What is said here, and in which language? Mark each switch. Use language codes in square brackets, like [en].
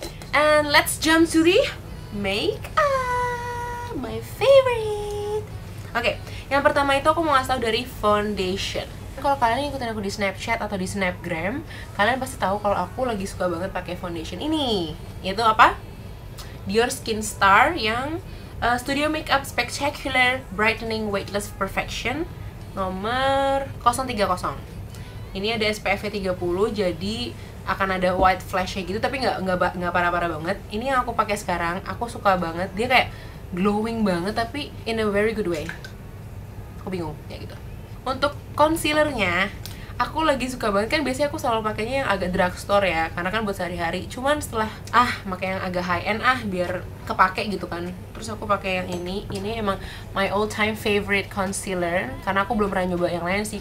[en] And let's jump to the makeup, my favorite. [id] Oke, yang pertama itu aku mau ngasih tau dari foundation. Kalau kalian ikutin aku di Snapchat atau di Snapgram, kalian pasti tahu kalau aku lagi suka banget pakai foundation ini. Yaitu apa? Dior Skin Star yang Studio Makeup Spectacular Brightening Weightless Perfection nomor 030. Ini ada SPF 30, jadi akan ada white flashnya gitu, tapi nggak parah-parah banget. Ini yang aku pakai sekarang, aku suka banget. Dia kayak glowing banget, tapi [en] in a very good way. [id] Aku bingung, ya gitu. Untuk concealernya, aku lagi suka banget, kan biasanya aku selalu pakainya yang agak drugstore ya, karena kan buat sehari-hari. Cuman setelah pakai yang agak high end biar kepake gitu kan. Terus aku pakai yang ini emang [en] my all time favorite concealer, [id] karena aku belum pernah nyoba yang lain sih.